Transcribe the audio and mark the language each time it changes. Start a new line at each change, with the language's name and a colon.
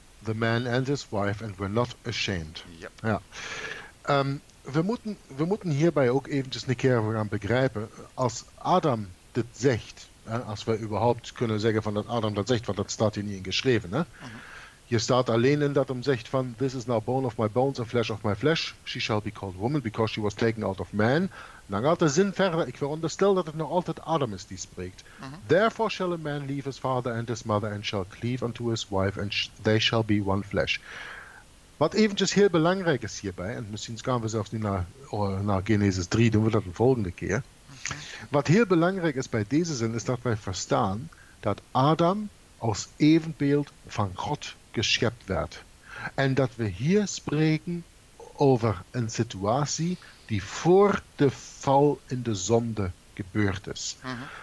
English: The man and his wife and were not ashamed.
Dutch: Ja. We moeten hierbij ook eventjes een keer gaan begrijpen. Als Adam dit zegt, als we überhaupt kunnen zeggen van dat Adam dat zegt, want dat staat hier niet in geschreven. Hè? Mhm. Hier staat alleen in dat hem zegt van,
English: this is now bone of my bones and flesh of my flesh. She shall be called woman because she was taken out of man.
Dutch: Dan gaat de zin verder. Ik veronderstel dat het nog altijd Adam is die spreekt. Mhm.
English: Therefore shall a man leave his father and his mother and shall cleave unto his wife and they shall be one flesh.
Dutch: Wat eventjes heel belangrijk is hierbij, en misschien gaan we zelfs niet naar Genesis 3, doen we dat de volgende keer. Wat heel belangrijk is bij deze zin, is dat wij verstaan dat Adam als evenbeeld van God geschept werd. En dat we hier spreken over een situatie die voor de val in de zonde gebeurd is. Uh-huh.